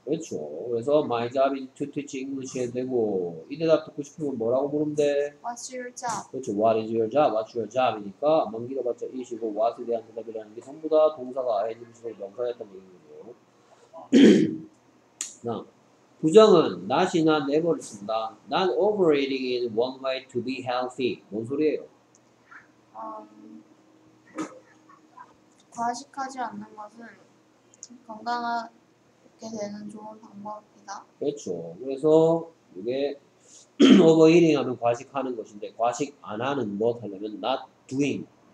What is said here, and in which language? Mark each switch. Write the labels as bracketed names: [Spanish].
[Korean] 그렇죠. 그래서 [English] My job is to teach English [Korean] 해도 되고 이 대답 듣고 싶으면 뭐라고 부르면 돼? [English] What's your job? [Korean] 그렇죠. [English] What is your job? What's your job? [Korean] 이니까 먼 길어봤자 이시고 What에 대한 대답이라는 게 전부 다 동사가 아닌 것으로 명사였던 얘기인데요. 자, 부정은 not이나 never를 씁니다. [English] Not overeating is one way to be healthy. [Korean] 뭔 소리예요? 과식하지 않는 것은 건강하게 되는 좋은 방법이다. 그렇죠. 그래서 이게 overeating 하면 과식하는 것인데 과식 안 하는 것 하려면 not doing.